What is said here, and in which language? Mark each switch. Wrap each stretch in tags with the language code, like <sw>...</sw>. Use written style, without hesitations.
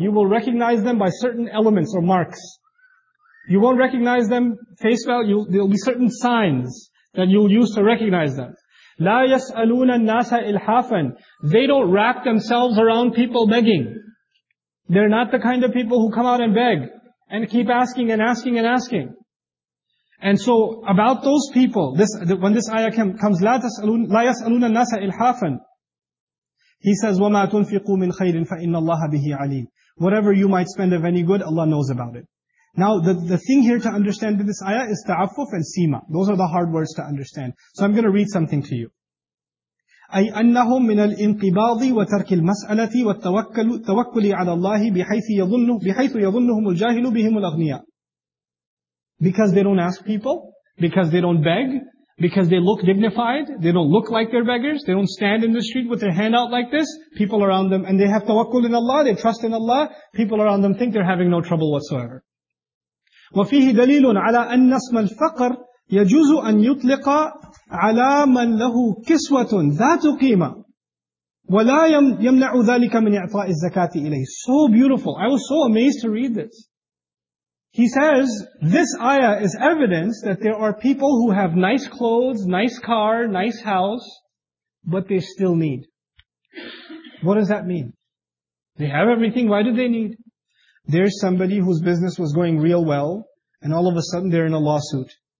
<en>You will recognize them by certain elements or marks. You won't recognize them face value. There'll be certain signs that you'll use to recognize them.</en> <ar>لَا يَسْأَلُونَ النَّاسَ إِلْحَافًا.</ar> <en>They don't wrap themselves around people begging. They're not the kind of people who come out and beg and keep asking and asking and asking. And so about those people, when this ayah comes,</en> <ar>لَا يَسْأَلُونَ النَّاسَ إِلْحَافًا,</ar> <en>he says,</en> <ar>وَمَا تُنْفِقُوا مِنْ خَيْرٍ فَإِنَّ اللَّهَ بِهِ عَلِيمٍ.</ar> <en>Whatever you might spend of any good, Allah knows about it. Now, the thing here to understand in this ayah is ta'affuf and sima. Those are the hard words to understand. So I'm going to read something to you.</en> <ar>أي أنهم من الانقباض وترك المسألة والتوكل على الله بحيث يظنهم الجاهل بهم الأغنياء.</ar> <en>Because they don't ask people, because they don't beg, because they look dignified, they don't look like they're beggars, they don't stand in the street with their hand out like this, people around them, and they have tawakkul in Allah, they trust in Allah, people around them think they're having no trouble whatsoever.</en> <ar>وفيه دليل على أن اسم الفقر يجوز أن يطلق على من له كسوة ذات قيمة ولا يمنع ذلك من إعطاء الزكاة إليه.</ar> <en>So beautiful. I was so amazed to read this. He says, this ayah is evidence that there are people who have nice clothes, nice car, nice house, but they still need. What does that mean? They have everything, why do they need? There's somebody whose business was going real well, and all of a sudden they're in a lawsuit.</en>